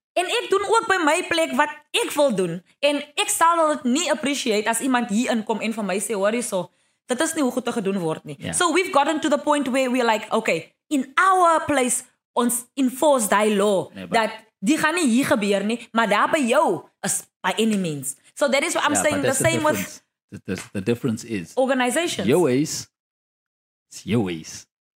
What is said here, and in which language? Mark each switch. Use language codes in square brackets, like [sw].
[af] En ek doen ook by my plek wat ek wil doen. En ek sal dit nie appreciate as iemand hier inkom en vir my sê, hoor jy so, dit is nie hoe goed te gedoen word nie. Yeah. [en] So we've gotten to the point where we're like, okay, in our place, [af] ons enforce die law, nee, dat die gaan nie hier gebeur nie, maar daar by jou is [en] by any means. So that is what I'm saying, the same with... The difference is... Organizations. Your ways, it's your ways.